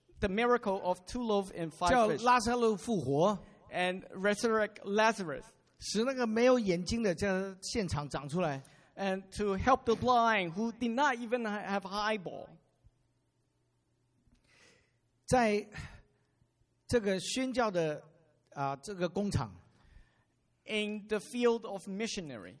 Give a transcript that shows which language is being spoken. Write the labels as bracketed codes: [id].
[en] The miracle of two loaves and five fish. [zh] 叫拉撒路复活, [en] and resurrect Lazarus. [zh] 使那个没有眼睛的在现场长出来, [en] and to help the blind who did not even have eyeball. [zh] 在这个宣教的, 这个工厂, [en] in the field of missionary.